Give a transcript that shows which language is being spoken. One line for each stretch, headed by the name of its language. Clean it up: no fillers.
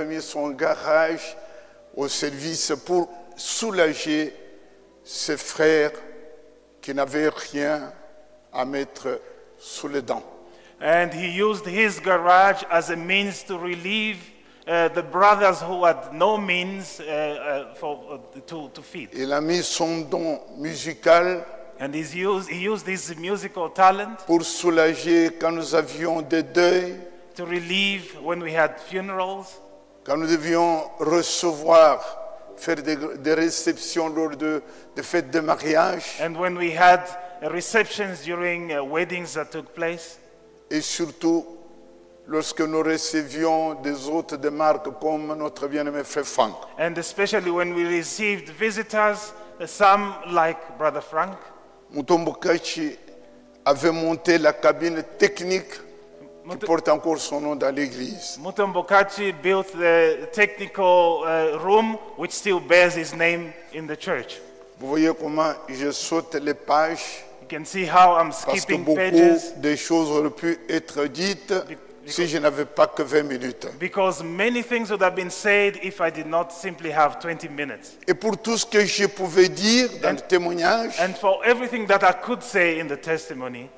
French: il avait mis son garage au service pour soulager ses frères qui n'avaient rien à mettre sous les dents.
English: And he used his garage as a means to relieve the brothers who had no means to feed.
French: Il a mis son don musical.
English: And he used his musical talent.
French: Pour soulager quand nous avions des deuils.
English: To relieve when we had funerals.
French: Quand nous devions recevoir, faire des réceptions lors de fêtes de mariage.
English: And when we had receptions during weddings that took place.
French: Et surtout. Lorsque nous recevions des hôtes de marque comme notre bien-aimé frère Frank.
English: And especially when we received visitors, some like Brother Frank.
French: Mutombo Katshi avait monté la cabine technique qui porte encore son nom dans l'église.
English: Mutombo Katshi built the technical room which still bears his name in the church.
French: Vous voyez comment je saute les pages.
English: You can see how I'm skipping pages.
French: Parce que beaucoup de choses auraient pu être dites. Si je n'avais pas que 20 minutes.
English: Because many things would have been said if I did not simply have 20 minutes.
French: Et pour tout ce que je pouvais dire dans le témoignage.
English: And for everything that I could say in the testimony.